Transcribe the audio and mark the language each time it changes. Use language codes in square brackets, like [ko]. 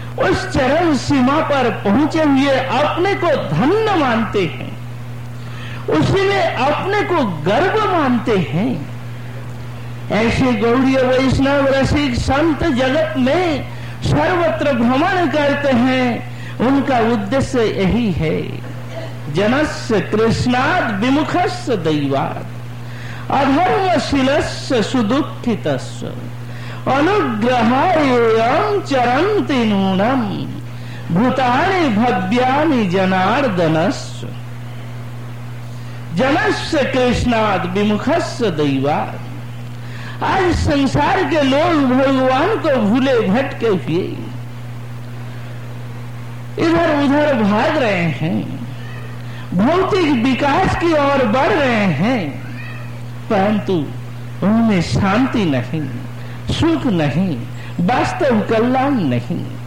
[hi] उस चरम सीमा पर पहुंचे हुए अपने को धन्य मानते हैं, उसी में अपने को गर्व मानते हैं, ऐसे गौड़ीय वैष्णव रसिक संत जगत में सर्वत्र भ्रमण करते हैं, उनका उद्देश्य यही है। [sa] जनस्य कृष्णात् विमुखस्य दैवात् अधर्मशीलस्य सुदुःखितस्य अनुग्रहायेयं चरन्ति नूनं भूतानि भव्यानि जनार्दनस्य। जनस्य कृष्णात् विमुखस्य दैवात्। [hi] आज संसार के लोग भगवान को भूले भटके हुए इधर उधर भाग रहे हैं, भौतिक विकास की ओर बढ़ रहे हैं, परंतु उनमें शांति नहीं, सुख नहीं, वास्तव कल्याण नहीं।